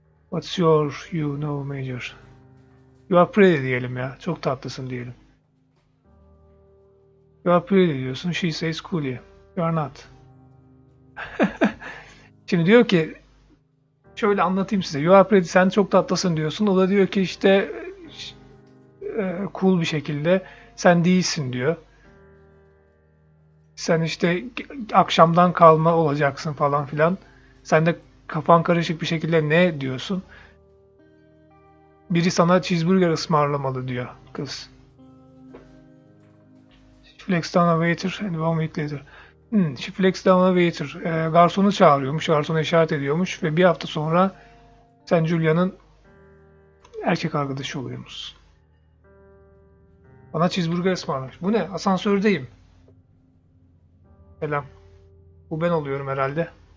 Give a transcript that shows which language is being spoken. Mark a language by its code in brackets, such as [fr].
[en] What's your you know major? You are pretty [tr] diyelim ya. Çok tatlısın diyelim. [en] You are pretty [tr] diyorsun. [en] She says cool you. You are not. [tr] Şimdi diyor ki, şöyle anlatayım size. [en] You are pretty, [tr] sen çok tatlısın diyorsun. O da diyor ki işte cool bir şekilde sen değilsin diyor. Sen işte akşamdan kalma olacaksın falan filan. Sen de kafan karışık bir şekilde ne diyorsun? Biri sana cheeseburger ısmarlamalı diyor kız. [en] Flex down a waiter and 1 week later. Flex down a waiter. [tr] Garsonu çağırıyormuş, garsona işaret ediyormuş ve bir hafta sonra sen Julia'nın erkek arkadaşı oluyormuşsun. Bana cheeseburger ısmarlamış. Bu ne? Asansördeyim. Selam. Bu ben oluyorum herhalde.